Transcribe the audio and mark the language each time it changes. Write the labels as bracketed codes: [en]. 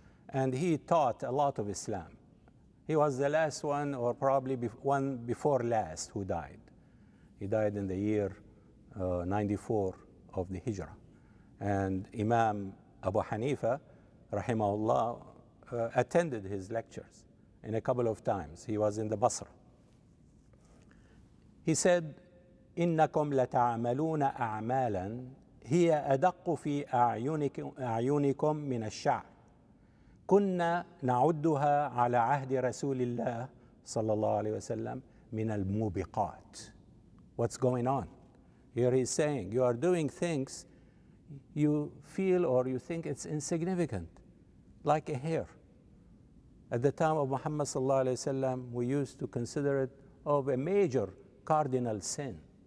[en] And he taught a lot of Islam. He was the last one, or probably one before last, who died. He died in the year 94 of the Hijrah. And Imam Abu Hanifa, rahimahullah, attended his lectures in a couple of times. He was in the Basra. He said, [ar] إِنَّكُمْ لَتَعْمَلُونَ أَعْمَالًا هِيَ أَدَقُّ فِي أَعْيُنِكُمْ مِنَ الشَّعْرِ كُنَّا نَعُدُّهَا عَلَى عَهْدِ رَسُولِ اللَّهِ صَلَّى اللَّهُ عَلَيْهِ وَسَلَّمْ مِنَ الْمُوبِقَاتِ [en] What's going on? Here he's saying, you are doing things you feel or you think it's insignificant, like a hair. At the time of Muhammad sallallahu alayhi wa sallam, we used to consider it of a major cardinal sin.